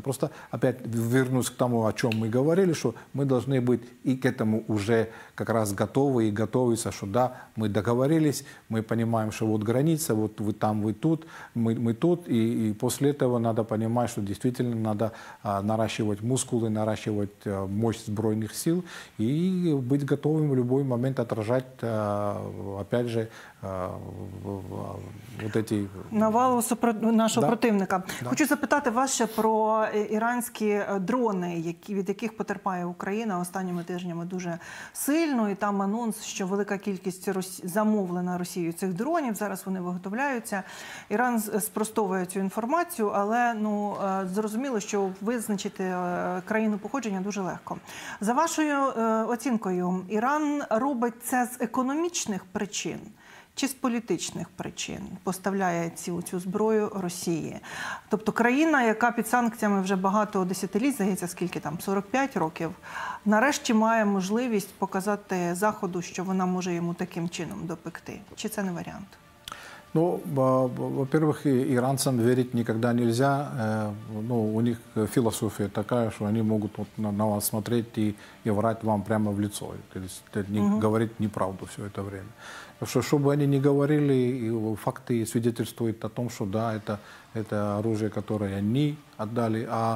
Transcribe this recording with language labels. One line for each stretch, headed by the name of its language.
Russian: Просто опять вернусь к тому, о чем мы говорили, что мы должны быть и к этому уже как раз готовы и готовиться, что да, мы договорились, мы понимаем, что вот граница, вот вы там, вы тут, мы тут, и после этого надо понимать, что действительно надо наращивать мускулы, наращивать наращивать мощь Збройних сил и быть готовым в любой момент отражать, опять же, вот эти...
Ukrainian: Навалу нашого противника. Да. Хочу запитати вас ще про іранські дрони, від яких потерпає Україна останніми тижнями дуже сильно. І там анонс, що велика кількість замовлена Росією цих дронів. Зараз вони виготовляються. Іран спростовує цю інформацію, але ну, зрозуміло, що визначити країну походження дуже легко. За вашою оцінкою, Іран робить це з економічних причин? Чи з політичних причин поставляє цю зброю Росії? Тобто країна, яка під санкціями вже багато десятиліть, здається, скільки там, 45 років, нарешті має можливість показати Заходу, що вона може йому таким чином допекти. Чи це не варіант?
Russian: Ну, во-первых, иранцам верить никогда нельзя. Ну, у них философия такая, что они могут вот на вас смотреть и врать вам прямо в лицо. То есть не говорить неправду все это время. Что бы они ни говорили, факты свидетельствуют о том, что да, это оружие, которое они отдали.